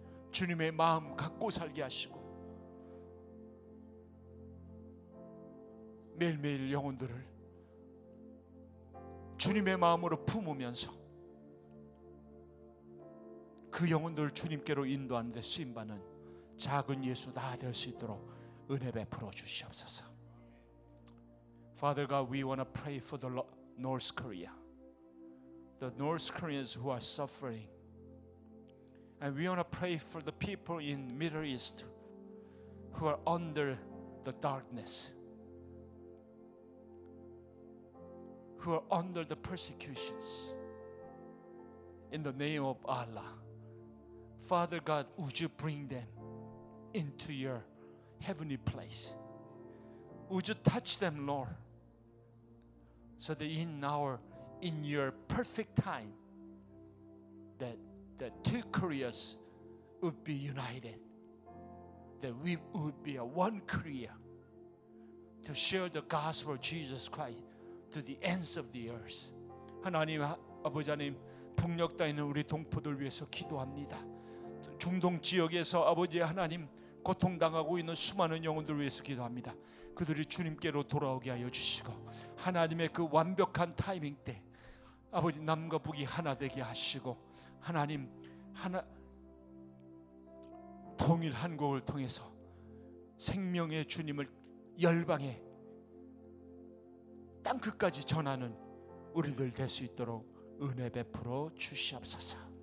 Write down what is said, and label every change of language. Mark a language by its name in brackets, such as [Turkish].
[Korean] 주님의 마음 갖고 살게 하시고, 매일매일 영혼들을 주님의 마음으로 품으면서 그 영혼들을 주님께로 인도하는 데 쓰임받는 작은 예수 다 될 수 있도록 은혜 베풀어 주시옵소서. [English] Father God, we want to pray for the North Korea, the North Koreans who are suffering. And we want to pray for the people in Middle East who are under the darkness, who are under the persecutions, in the name of Allah. Father God, would you bring them into your heavenly place? Would you touch them, Lord, so that in your perfect time, that two Koreas would be united, that we would be a one Korea to share the gospel of Jesus Christ to the ends of the earth. [Korean] 하나님 아버지 하나님, 북녘 땅에는 우리 동포들 위해서 기도합니다. 중동 지역에서 아버지 하나님 고통 당하고 있는 수많은 영혼들 위해서 기도합니다. 그들이 주님께로 돌아오게 하여 주시고, 하나님의 그 완벽한 타이밍 때 아버지 남과 북이 하나 되게 하시고, 하나님 하나 통일 한국을 통해서 생명의 주님을 열방에 땅 끝까지 전하는 우리들 될 수 있도록 은혜 베풀어 주시옵소서.